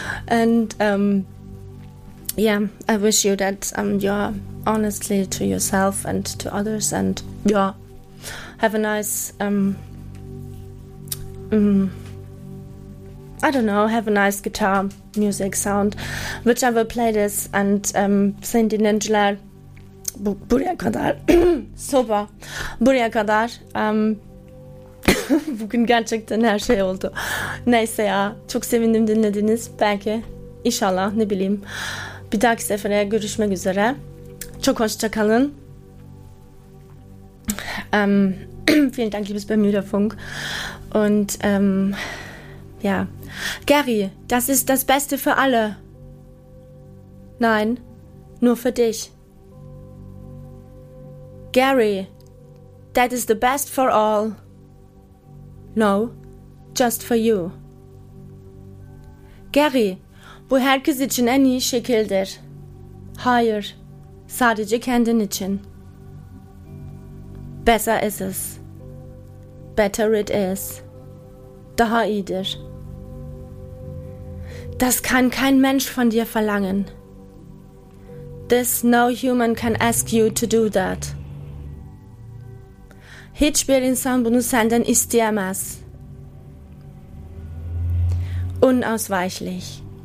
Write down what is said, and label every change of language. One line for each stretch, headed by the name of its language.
English: And yeah, I wish you that you're honestly to yourself and to others, and yeah, have a nice I don't know, have a nice guitar music sound, which I will play this, and Cindy Ninja Buria Kadar Super Buria Kadar
Turkish: Bugün gerçekten her şey oldu. Neyse ya, çok sevindim dinlediniz. Belki, inşallah, ne bileyim, bir dahaki sefere görüşmek üzere. Çok hoşça kalın.
German: Vielen Dank, liebes Bermuda-Funk. Und ja, Gary, das ist das Beste für alle. Nein, nur für dich.
English: Gary, that is the best for all. No, just for you.
Turkish: Gary, bu herkes için en iyi şekildir. Hayır. Sadece kendin için.
German: Besser ist es.
English: Better it is.
Turkish: Daha iyidir.
German: Das kann kein Mensch von dir verlangen.
English: This no human can ask you to do that.
Turkish: Hiçbir insan bunu senden isteyemez.
German: Unausweichlich.